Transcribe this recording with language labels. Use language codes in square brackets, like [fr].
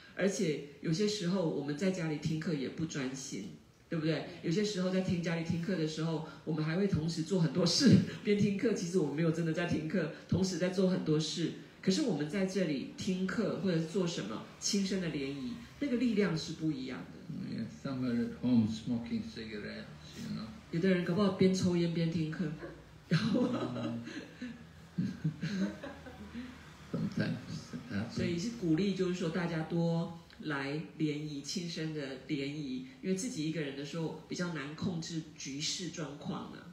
[zh] 而且有些时候我们在家里听课也不专心，对不对？有些时候在听家里听课的时候，我们还会同时做很多事，边听课其实我们没有真的在听课，同时在做很多事。可是我们在这里听课或者做什么亲身的联谊，那个力量是不一样的。 [en] Yeah, some are at home smoking cigarettes, you know. [zh] 有的人搞不好边抽烟边听课，然后 [en] Sometimes it happens. [zh] 所以是鼓励，就是说大家多来联谊，亲身的联谊，因为自己一个人的时候比较难控制局势状况了。